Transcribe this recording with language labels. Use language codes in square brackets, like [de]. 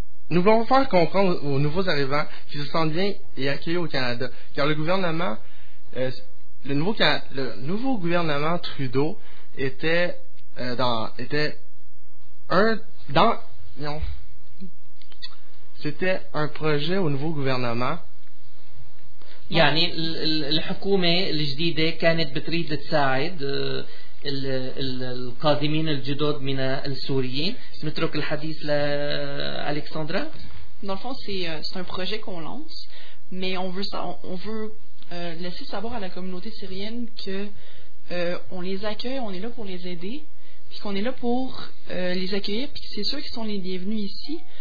[fr] Nous voulons faire comprendre aux nouveaux arrivants qu'ils se sentent bien et accueillis au Canada, car le gouvernement le nouveau gouvernement Trudeau était un projet au nouveau gouvernement. [ar] يعني الحكومة الجديدة كانت بتريد تساعد القادمين الجدد من السوريين. نترك الحديث لألكسندرا. [fr] Dans le fond, c'est un projet qu'on lance, mais on veut laisser savoir à la communauté syrienne que on les accueille, on est là pour les aider, puis qu'on est là pour les accueillir, puis c'est sûr qu'ils sont les bienvenus ici.